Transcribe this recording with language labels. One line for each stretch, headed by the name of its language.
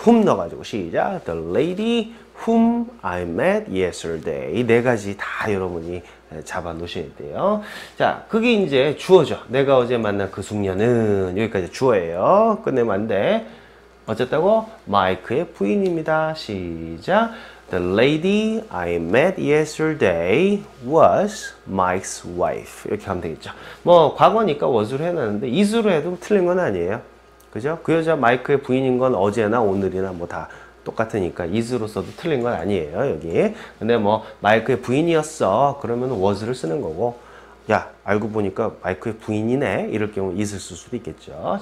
Korean: whom 넣어가지고 시작.
English: The lady whom I met yesterday.
Korean: 이 네 가지 다 여러분이 잡아 놓으셔야 돼요. 자, 그게 이제 주어죠. 내가 어제 만난 그 숙녀는 여기까지 주어예요. 끝내면 안 돼. 어쨌다고? 마이크의 부인입니다. 시작.
English: The lady I met yesterday was Mike's wife.
Korean: 이렇게 하면 되겠죠. 뭐 과거니까 was로 해놨는데 is로 해도 틀린 건 아니에요. 그죠? 그 여자 마이크의 부인인 건 어제나 오늘이나 뭐 다 똑같으니까 is로 써도 틀린 건 아니에요 여기. 근데 뭐 마이크의 부인이었어 그러면 was를 쓰는 거고 야 알고 보니까 마이크의 부인이네 이럴 경우 is을 쓸 수도 있겠죠.